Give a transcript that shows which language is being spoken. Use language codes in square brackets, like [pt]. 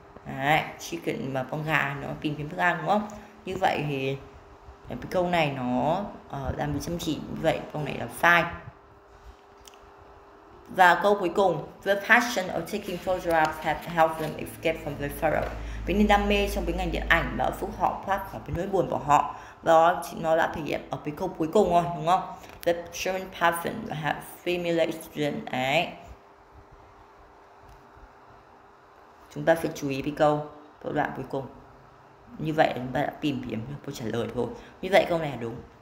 [vi] Đấy, chicken mà con gà nó tìm kiếm thức ăn, đúng không? Như vậy thì cái câu này nó làm bị chăm chỉ, như vậy câu này là sai. Và câu cuối cùng, [en] the passion of taking photographs have helped them escape from the sorrow. [vi] Vì niềm đam mê trong cái ngành điện ảnh đã giúp họ thoát khỏi cái nỗi buồn của họ. Đó thì nó đã thể hiện ở cái câu cuối cùng rồi, đúng không? [en] The sharing passion have stimulated them. [vi] Chúng ta phải chú ý cái câu, câu đoạn cuối cùng. Như vậy chúng ta đã tìm kiếm câu trả lời thôi. Như vậy câu này là đúng.